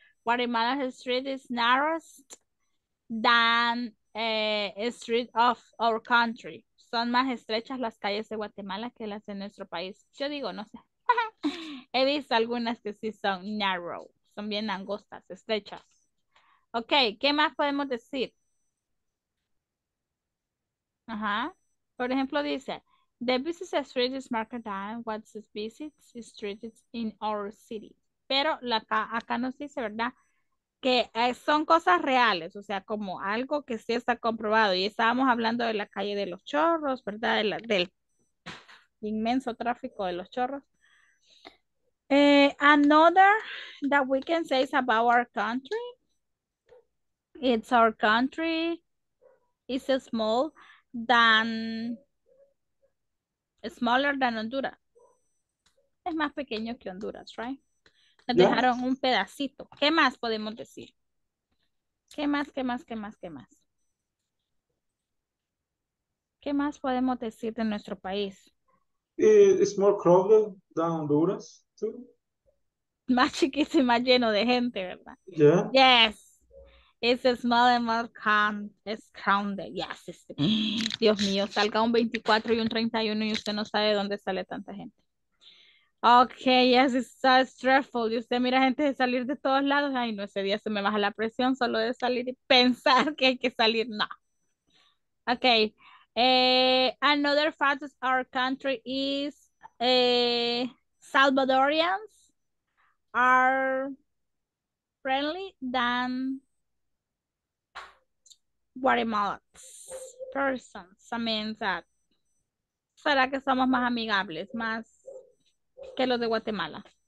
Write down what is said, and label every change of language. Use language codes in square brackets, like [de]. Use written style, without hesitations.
[en] Guatemala's street is narrowest than a street of our country. [es] Son más estrechas las calles de Guatemala que las de nuestro país. Yo digo, no sé. He visto algunas que sí son narrow. Son bien angostas, estrechas. Ok, ¿qué más podemos decir? Ajá. Por ejemplo, dice, [en] the busiest street is marked down. What's the busiest street in our city? [es] Pero acá nos dice, ¿verdad? Que son cosas reales, o sea, como algo que sí está comprobado. Y estábamos hablando de la calle de los chorros, ¿verdad? Del inmenso tráfico de los chorros. [en] Another that we can say is about our country. It's our country. It's small than... smaller than Honduras. [es] Es más pequeño que Honduras, right? Nos dejaron un pedacito. ¿Qué más podemos decir? ¿Qué más? ¿Qué más podemos decir de nuestro país? [en] It's more crowded than Honduras, too. [es] Más chiquito y más lleno de gente, ¿verdad? [en] Yeah. Yes. It's a small and more crowded. Yes. [es] Dios mío, salga un 24 y un 31 y usted no sabe dónde sale tanta gente. [en] Okay, yes, it's so stressful. [es] Y usted mira gente de salir de todos lados. Ay, no, ese día se me baja la presión solo de salir y pensar que hay que salir. No. Okay. [en] Another fact is our country is Salvadorians are friendly than Guatemalans persons. I mean that. [es] ¿Será que somos más amigables, más que los de Guatemala?